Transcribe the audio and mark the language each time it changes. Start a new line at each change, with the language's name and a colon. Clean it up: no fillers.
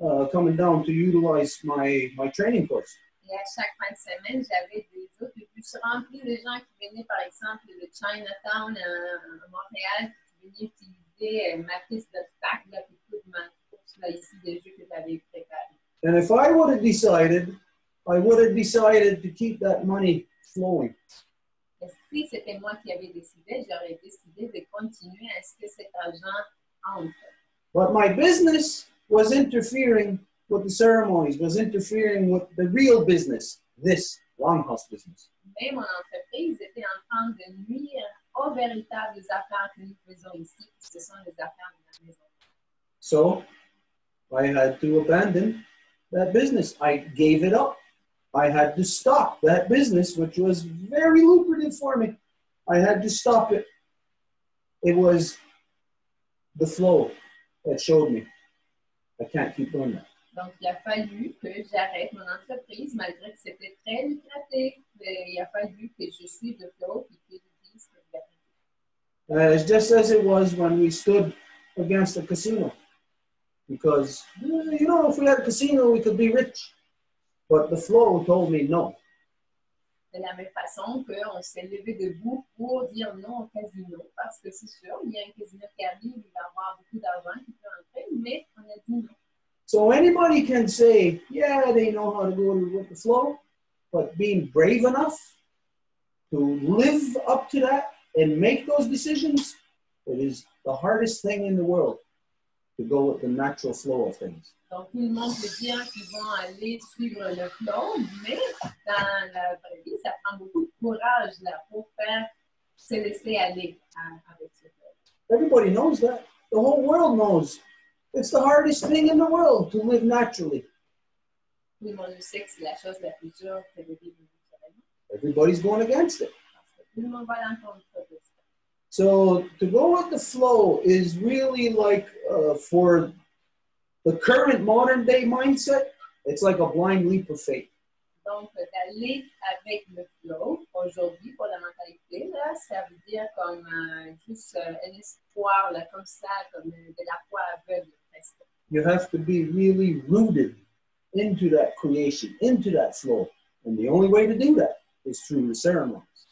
English: Coming down to utilize my training course.
French: Et à chaque fin de semaine, j'avais des autobus remplis de gens qui venaient, par exemple, de Chinatown à Montréal, qui venaient utiliser ma piste d'obstacle et toute ma course là, ici de jeu que j'avais préparé.
English: And if I would have decided, I would have decided to keep that money flowing.
French: Et si c'était moi qui avais décidé, j'aurais décidé de continuer à ce que cet argent entre.
English: But my business was interfering with the ceremonies, was interfering with the real business, this longhouse business.
French: Mais mon entreprise était en train de nuire aux véritables affaires que nous faisons ici, ce sont les affaires de la maison.
English: So, I had to abandon that business. I gave it up. I had to stop that business, which was very lucrative for me. I had to stop it. It was the flow that showed me. I can't keep doing that.
French: Donc, il a fallu que j'arrête mon entreprise, malgré que c'était très lucratif. Il a fallu que je suive le flow et que je
English: It's just as it was when we stood against the casino. Because, you know, if we had a casino, we could be rich. But the floor told me no.
French: De la même façon qu'on s'est levé debout pour dire non au casino, parce que c'est sûr, il y a un casino qui arrive, il va avoir beaucoup d'argent qui peut entrer, mais on a dit non.
English: So anybody can say, yeah, they know how to go with the flow, but being brave enough to live up to that and make those decisions, it is the hardest thing in the world. To go with the natural flow of things.
French: Donc tout le monde peut dire qu'ils vont aller suivre le flow, mais dans la vraie vie, ça prend beaucoup de courage là pour faire se laisser aller avec ce flow.
English: Everybody knows that. The whole world knows. It's the hardest thing in the world to live naturally.
French: Tout le monde sait que c'est la chose la plus dure que de vivre naturellement.
English: Everybody's going against it.
French: Tout le monde va l'entendre.
English: So to go with the flow is really like for the current modern day mindset, it's like a blind leap of faith.
French: Donc d'aller avec le flow aujourd'hui pour la mentalité là, ça veut dire comme juste un espoir là, comme ça, comme de la foi aveugle presque.
English: You have to be really rooted into that creation, into that flow, and the only way to do that is through the ceremonies.